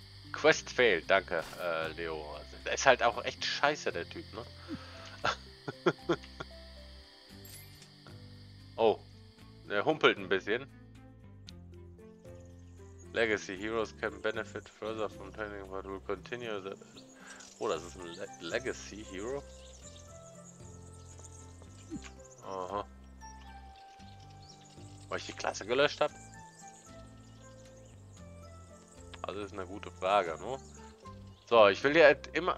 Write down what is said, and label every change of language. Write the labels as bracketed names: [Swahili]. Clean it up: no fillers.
[English] Quest failed. [German] Danke, Leo. Der ist halt auch echt scheiße, der Typ, ne? Oh. Der humpelt ein bisschen. [English] Legacy Heroes can benefit further from training, but will continue the. [German] Oh, das ist ein Legacy Hero. Aha. Weil ich die Klasse gelöscht habe? Also ist eine gute Frage, ne? So, ich will ja immer.